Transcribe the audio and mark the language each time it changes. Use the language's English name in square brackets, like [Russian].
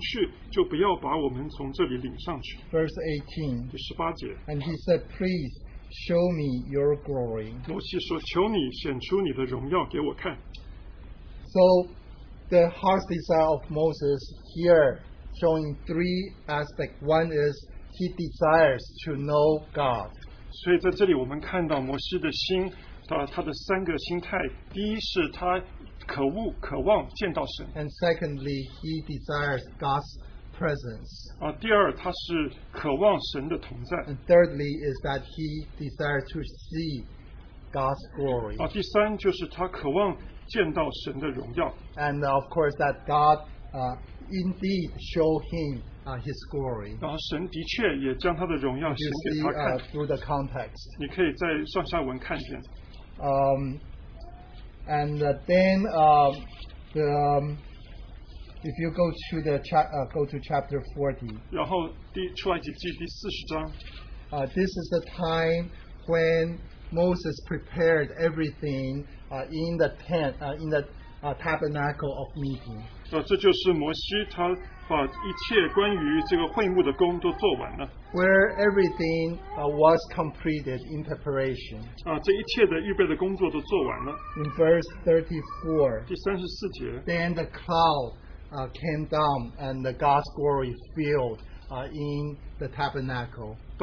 [Chinese] 摩西说：“你若不亲自和我们同去，就不要把我们从这里领上去。” [English] Verse 18. And he said, "Please show me your glory." [Chinese] 摩西说：“求你显出你的荣耀给我看。” [English] So, the heart's desire of Moses here showing three aspects. One is he desires to know God. [Chinese] 所以在这里我们看到摩西的心，他的三个心态。第一是他 [English] And secondly, he desires God's presence. [Chinese] 第二，他是渴望神的同在。 [English] And thirdly, is that he desires to see God's glory. [Chinese] 第三，就是他渴望见到神的荣耀。 [English] And of course, that God indeed show him his glory. [Chinese] 然后神的确也将他的荣耀显给他看。 [English] You see, through the context. [Chinese] 你可以在上下文看见。 [English] And then, if you go to the go to chapter 40. [Chinese] 然后出埃及记第40章。 [English] This is the time when Moses prepared everything in the tent in the tabernacle of meeting. [Chinese] 这就是摩西他把一切关于这个会幕的工都做完了。 [English] Where everything was completed in preparation. [Chinese] 这一切的预备的工作都做完了。 [English] In verse 34. Then the cloud came down and the God's glory filled in the tabernacle.